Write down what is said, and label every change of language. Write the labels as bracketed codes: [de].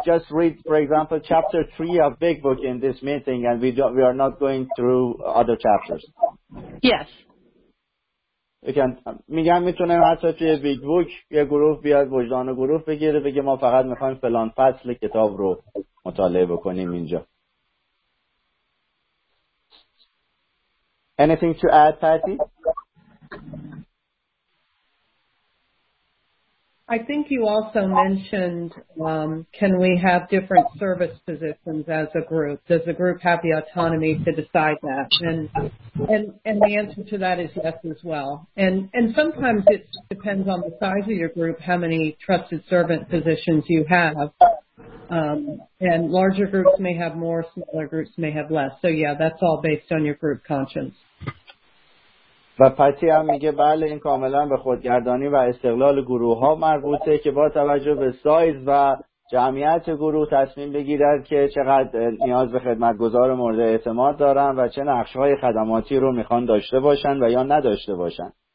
[en] Just read, for example, chapter 3 of Big Book in this meeting, and we are not going through other chapters. Yes. You can. [fa] میگم میتونم حتی توی Big Book یه گروه بیاد وجدان گروه بگیره بگه ما فقط میخوایم فلان فصل کتاب رو مطالعه بکنیم اینجا. [en] Anything to add, Patty? I think you also mentioned, can we have different service positions as a group? Does the group have the autonomy to decide that? And the answer to that is yes as well. And sometimes it depends on the size of your group, how many trusted servant positions you have. And larger groups may have more, smaller groups may have less. So, yeah, that's all based on your group conscience. [fa] و پتی هم میگه بله این کاملا به خودگردانی و استقلال گروه ها مربوطه که با توجه به سایز و جمعیت گروه تصمیم بگیرد که چقدر نیاز به خدمتگزار مورد اعتماد دارن و چه نقش های خدماتی رو میخوان داشته باشن و یا نداشته باشن.